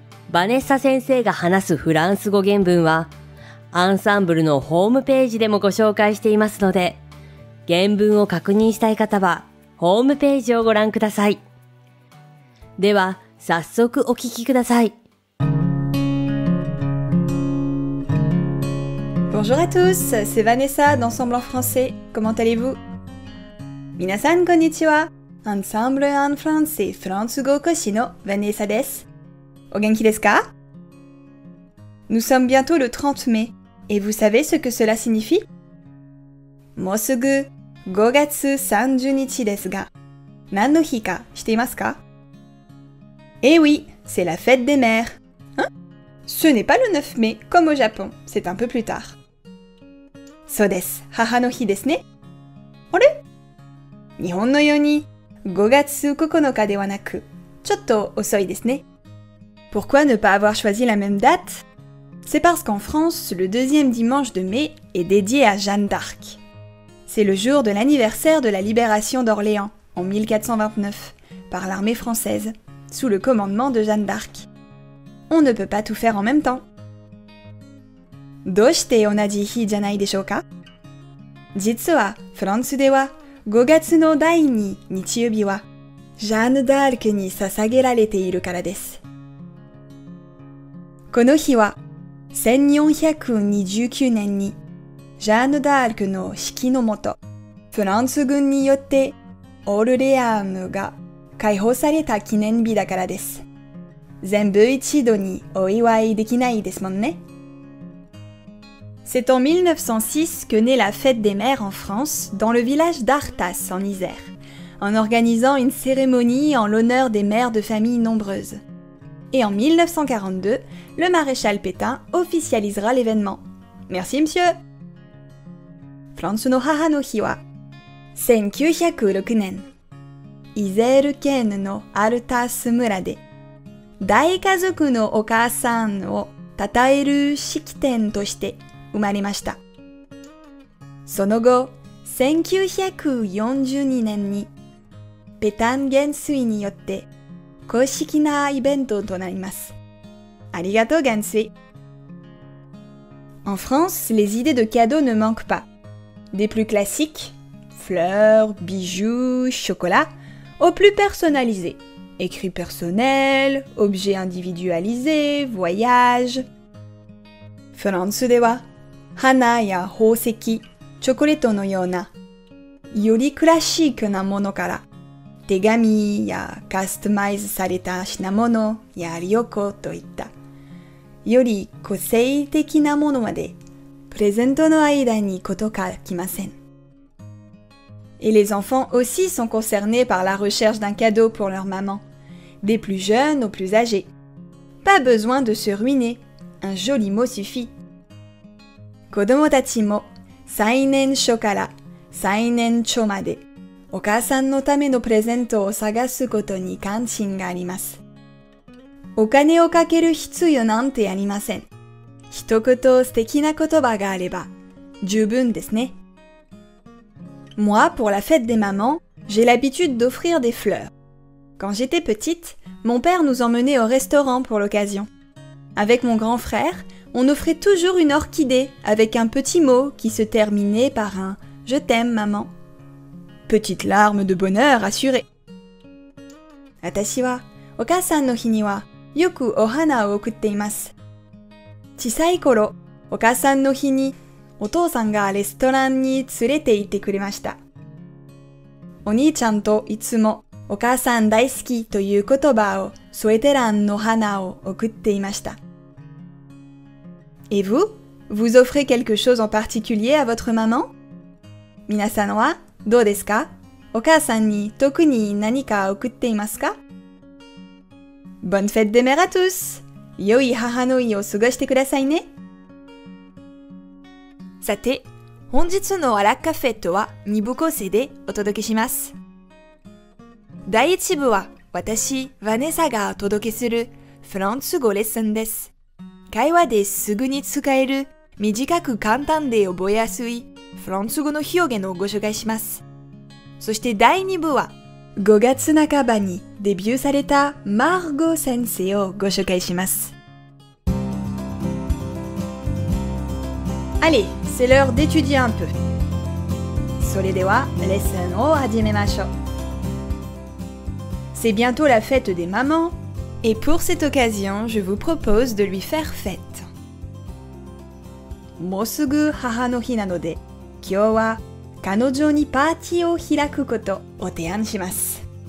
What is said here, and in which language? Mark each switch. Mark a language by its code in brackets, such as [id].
[ja] バネッサ先生が話すフランス語原文はアンサンブルのホームページでもご紹介していますので、原文を確認したい方はホームページをご覧ください。では早速お聞きください。 [fr] Bonjour à tous, c'est Vanessa d'Ensemble en français. Comment allez-vous? [ja] 皆さんこんにちは。 Ensemble en français, フランス語講師の Vanessa です。お元気ですか? [fr] Nous sommes bientôt le 30 mai, et vous savez ce que cela signifie? [ja] もうすぐ5月30日ですが、何の日か知っていますか? [fr] Eh oui, c'est la fête des mères. Hein? Ce n'est pas le 9 mai, comme au Japon, c'est un peu plus tard. [ja] そうです。母の日ですね。あれ? 日本のように5月9日ではなく、ちょっと遅いですね。 [fr] Pourquoi ne pas avoir choisi la même date? C'est parce qu'en France, le deuxième dimanche de mai est dédié à Jeanne d'Arc. C'est le jour de l'anniversaire de la libération d'Orléans en 1429 par l'armée française. Sous le commandement de Jeanne d'Arc. On ne peut pas tout faire en même temps. [ja] どうして同じ日じゃないでしょうか?実は、フランスでは5月の第2日曜日は、ジャンヌ・ダークに捧げられているからです。この日は、1429年に、ジャンヌ・ダークの指揮のもと、フランス軍によって、オルレアームが、解放された記念日だからです。全部一度にお祝いできないですもんね。 [fr] C'est en 1906 que naît la fête des mères en France, dans le village d'Artas, en Isère, en organisant une cérémonie en l'honneur des mères de familles nombreuses. Et en 1942, le maréchal Pétain officialisera l'événement. Merci, monsieur! [ja] フランスの母の日は1906年。イゼール県のアルタス村で大家族のお母さんを称える式典として生まれました。その後1942年にペタン元帥によって公式なイベントとなります。ありがとう元帥。 [fr] En France, les idées de cadeaux ne manquent pas. Des plus classiques, fleurs, bijoux, chocolat,au plus personnalisé, écrit personnel, objet individualisé, voyage. [ja] フランスでは、花や宝石、チョコレートのような、よりクラシックなものから、手紙やカスタマイズされた品物や旅行といった、より個性的なものまで、プレゼントの間にことかきません。 [fr] Et les enfants aussi sont concernés par la recherche d'un cadeau pour leur maman, des plus jeunes aux plus âgés. Pas besoin de se ruiner, un joli mot suffit. [ja] 子供たちも最年少から最年長までお母さんのためのプレゼントを探すことに関心があります。お金をかける必要なんてありません。一言素敵な言葉があれば十分ですね。 [fr] Moi, pour la fête des mamans, j'ai l'habitude d'offrir des fleurs. Quand j'étais petite, mon père nous emmenait au restaurant pour l'occasion. Avec mon grand frère, on offrait toujours une orchidée avec un petit mot qui se terminait par un « Je t'aime, maman ». Petite larme de bonheur assurée. [ja] 私はお母さんの日にはよくお花を送っています。小さい頃、お母さんの日にお父さんがレストランに連れて行ってくれました。お兄ちゃんといつもお母さん大好きという言葉を添えて欄の花を送っていました。 [fr] Et vous? Vous offrez quelque chose en particulier à votre maman? [ja] 皆さんはどうですか? お母さんに特に何か送っていますか? [fr] Bonne fête des mères à tous! [ja] 良い母の日を過ごしてくださいね。さて、本日のアラカフェとは2部構成でお届けします。第1部は私、ヴァネサがお届けするフランス語レッスンです。会話ですぐに使える短く簡単で覚えやすいフランス語の表現をご紹介します。そして第2部は 5月半ばにデビューされたマーゴ先生をご紹介します。 [fr] Allez, c'est l'heure d'étudier un peu. [ja] それではレッスンを始めましょう。 [fr] C'est bientôt la fête des mamans et pour cette occasion, je vous propose de lui faire fête. [ja] もうすぐ母の日なので、今日は彼女にパーティーを開くことを提案します。